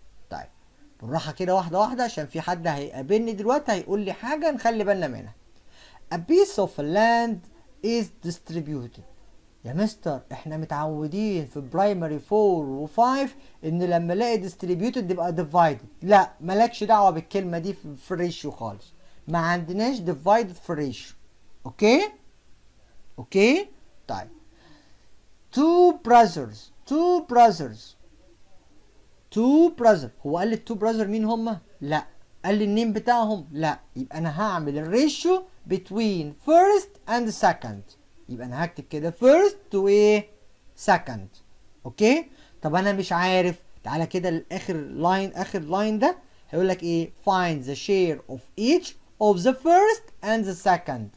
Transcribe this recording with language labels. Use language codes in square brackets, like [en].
[ar] طيب بنروح كده واحدة واحدة عشان في حد هيقابلني دلوقتي هيقول لي حاجة نخلي بالنا منها. [en] A piece of land is distributed. [ar] يا مستر احنا متعودين في primary 4 و 5 ان لما الاقي distributed تبقى divided. لا، مالكش دعوة بالكلمة دي في الريشيو خالص. ما عندناش divided for ratio. اوكي؟ اوكي؟ طيب [en] two brothers [ar] هو قال لي two brothers مين هما؟ لا. قال لي النيم بتاعهم؟ لا. يبقى انا هعمل الريشيو [en] between first and second، [ar] يبقى انا هكتب كده [en] first to a second. [ar] اوكي؟ طب انا مش عارف، تعالى كده لاخر لاين. اخر لاين ده هيقول لك ايه؟ [en] find the share of each of the first and the second.